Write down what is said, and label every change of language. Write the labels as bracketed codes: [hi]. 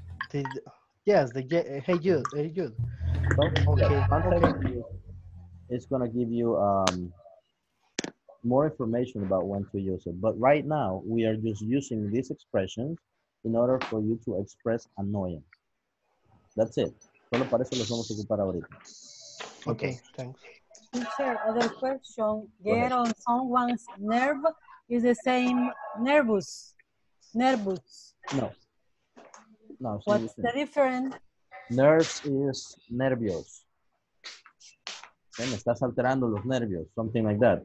[en] Hey, you. It's going to give you more information about when to use it. But right now, we are just using this expression in order for you to express annoyance. That's it. [es] Solo para eso los vamos a ocupar ahorita. [en] Okay, thanks. Teacher, other question. Get on someone's nerve is the same nervous. Nervous. No. No. What's the difference? Nerves is nervios. Okay, [es] me estás alterando los nervios. [en] Something like that.